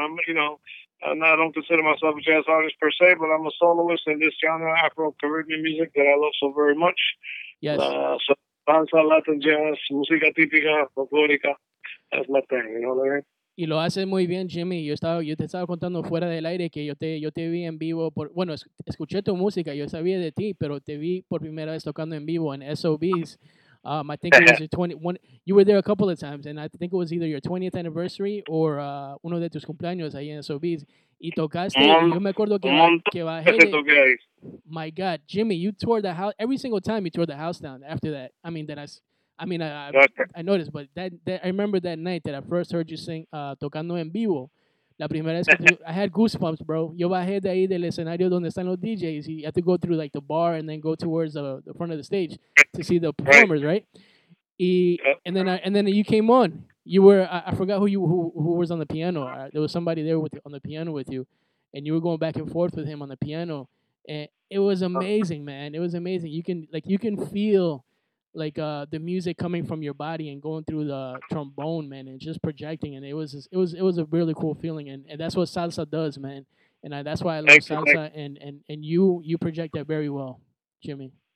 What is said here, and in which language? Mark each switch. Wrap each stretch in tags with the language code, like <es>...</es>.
<en>I'm, you know, I don't consider myself a jazz artist per se, but I'm a soloist in this genre, Afro-Caribbean music that I love so very much. Yes.</en> <es>Salsa, Latin jazz, música típica, folclórica.</es> <en>That's my thing, you know what I mean?</en> <es>Y lo haces muy bien, Jimmy. Yo te estaba contando fuera del aire que yo te vi en vivo. Escuché tu música, yo sabía de ti, pero te vi por primera vez tocando en vivo en SOBs.</es> <en>I think it was your 21. You were there a couple of times, and I think it was either your 20th anniversary or</en> <es>uno de tus cumpleaños ahí en SOBs. Y tocaste. Yo me acuerdo que bajé.</es> <en>My God, Jimmy, you tore the house every single time. You tore the house down after that. I noticed, but that I remember that night that I first heard you sing</en> <es>tocando en vivo. La primera vez</es> <en>I had goosebumps, bro.</en> <es>Yo bajé de ahí del escenario donde están los DJs.</es> <en>You have to go through like the bar and then go towards the front of the stage to see the performers, right? And then you came on. You were I forgot who was on the piano. There was somebody there on the piano with you, and you were going back and forth with him on the piano. And it was amazing, man. It was amazing. You can feel like the music coming from your body and going through the trombone, man, and just projecting, and it was a really cool feeling, and that's what salsa does, man, and that's why I love salsa, and you project that very well, Jimmy.</en>